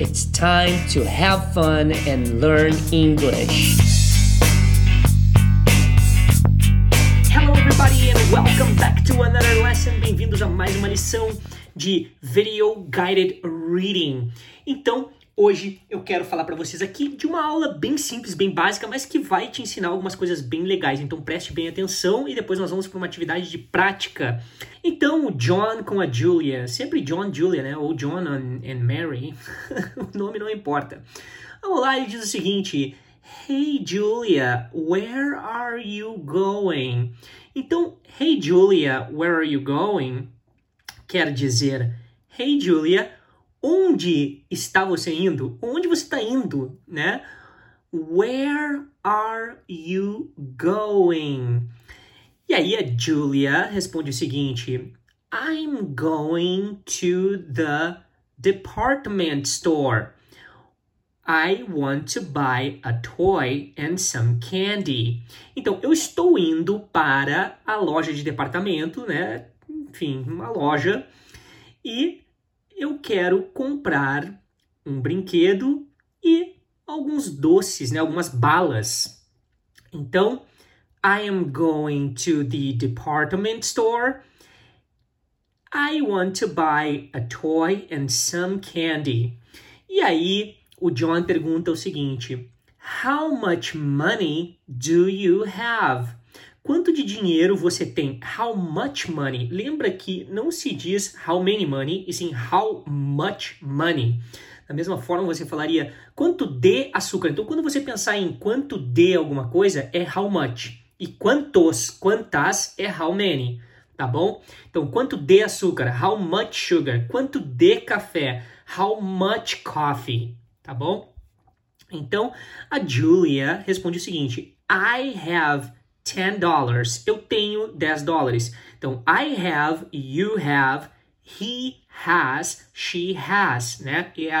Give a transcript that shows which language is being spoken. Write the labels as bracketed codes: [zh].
[en] It's time to have fun and learn English. Hello, everybody, and welcome back to another lesson. [pt] Bem-vindos a mais uma lição de Video Guided Reading. Então, hoje eu quero falar para vocês aqui de uma aula bem simples, bem básica, mas que vai te ensinar algumas coisas bem legais. Então, preste bem atenção e depois nós vamos para uma atividade de prática. Então, o John com a Julia, sempre John, Julia, né? Ou John and Mary, o nome não importa. Vamos lá, ele diz o seguinte: [en] Hey, Julia, where are you going? Então, Hey, Julia, where are you going? [pt] Quer dizer, Hey, Julia, onde está você indo? Onde você está indo, né? [en] Where are you going? [pt] E aí a Julia responde o seguinte: [en] I'm going to the department store. I want to buy a toy and some candy. [pt] Então, eu estou indo para a loja de departamento, né? Enfim, uma loja. E eu quero comprar um brinquedo e alguns doces, né? Algumas balas. Então, [en] I am going to the department store. I want to buy a toy and some candy. [pt] E aí, o John pergunta o seguinte: [en] How much money do you have? [pt] Quanto de dinheiro você tem? [en] How much money? [pt] Lembra que não se diz [en] how many money, [pt] e sim [en] how much money. [pt] Da mesma forma, você falaria quanto de açúcar. Então, quando você pensar em quanto de alguma coisa, é how much. E quantos, quantas, é how many, tá bom? Então, quanto de açúcar? [en] How much sugar? [pt] Quanto de café? [en] How much coffee? [pt] Tá bom? Então, a Julia responde o seguinte: [en] I have $10. [pt] Eu tenho $10. Então, [en] I have, you have, he has, she has, né?